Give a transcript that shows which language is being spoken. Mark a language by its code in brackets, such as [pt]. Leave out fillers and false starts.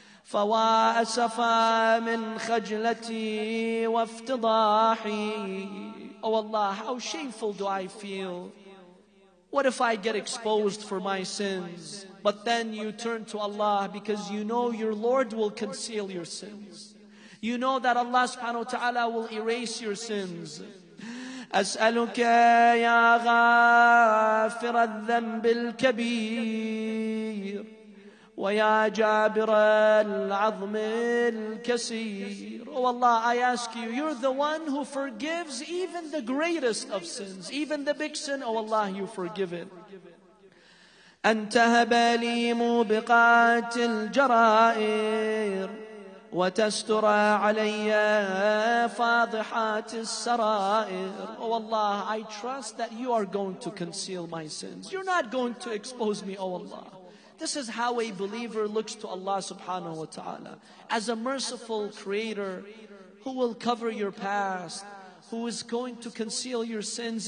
[ar] فَوَا أَسَفَى مِنْ خَجْلَتِي وَافْتِضَاحِي. [en] Oh Allah, how shameful do I feel? What if I get exposed for my sins? But then you turn to Allah because you know your Lord will conceal your sins. You know that Allah subhanahu wa ta'ala will erase your sins. [ar] أسألك يا غافر الذنب الكبير ويا جابر العظم الكسير. [en] Oh Allah, I ask you, you're the one who forgives even the greatest of sins, even the big sin. Oh Allah, you forgive it. [ar] أنت هب لي موبقات الجرائر وتستر علي فاضحات السرائر. [en] Oh Allah, I trust that you are going to conceal my sins. You're not going to expose me, oh Allah. This is how a believer looks to Allah subhanahu wa ta'ala, as a merciful creator who will cover your past, who is going to conceal your sins.